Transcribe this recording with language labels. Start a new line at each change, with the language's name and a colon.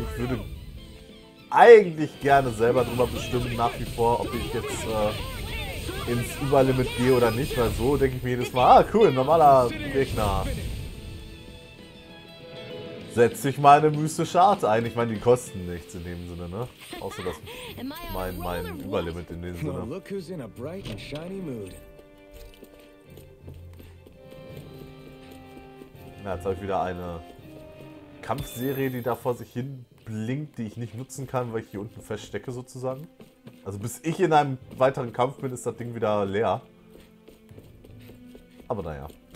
German: Ich würde eigentlich gerne selber drüber bestimmen, nach wie vor, ob ich jetzt ins Überlimit gehe oder nicht, weil so denke ich mir jedes Mal, ah cool, normaler Gegner. Setz ich mal eine mystische Art ein. Ich meine, die kosten nichts in dem Sinne, ne? Außer das mein Überlimit in dem Sinne.
English: Look who's in a bright and shiny mood.
German: Na, jetzt habe ich wieder eine Kampfserie, die da vor sich hin blinkt, die ich nicht nutzen kann, weil ich hier unten feststecke sozusagen. Also bis ich in einem weiteren Kampf bin, ist das Ding wieder leer. Aber naja.